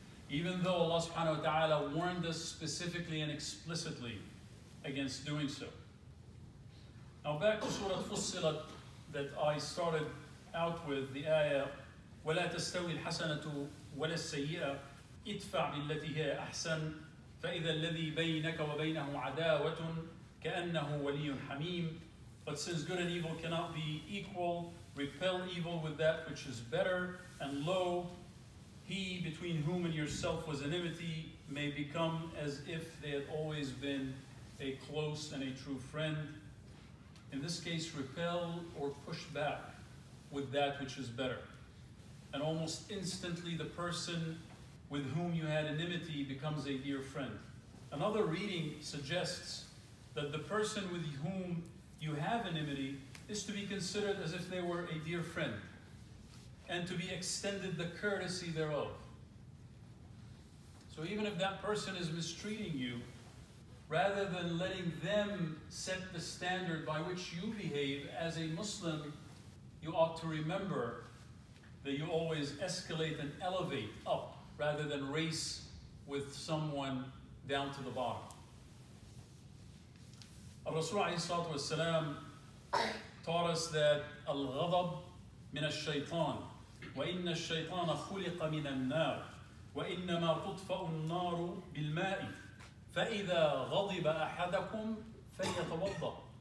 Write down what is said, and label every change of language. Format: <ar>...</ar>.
<en>Even though Allah subhanahu wa ta'ala warned us specifically and explicitly against doing so. Now back to Surah Fussilat that I started out with, the ayah,</en> <ar>وَلَا تَسْتَوِي الْحَسَنَةُ وَلَا السَّيِّئَةُ اِدْفَعْ بِالَّتِي هِيَ أَحْسَنُ فإذا الذي بينك وبينه عداوة كأنه ولي حميم.</ar> <en>But since good and evil cannot be equal, repel evil with that which is better, and lo, he between whom and yourself was enmity may become as if they had always been a close and a true friend. In this case, repel or push back with that which is better. And almost instantly, the person with whom you had enmity becomes a dear friend. Another reading suggests that the person with whom you have enmity is to be considered as if they were a dear friend, and to be extended the courtesy thereof. So even if that person is mistreating you, rather than letting them set the standard by which you behave as a Muslim, you ought to remember that you always escalate and elevate up rather than race with someone down to the bottom. Rasul taught us that al-ghadab min ash-shaytan</en> <ar>وإن الشيطان خلق من النار وإنما تطفأ النار بالماء فإذا غضب أحدكم فليتوضأ.</ar>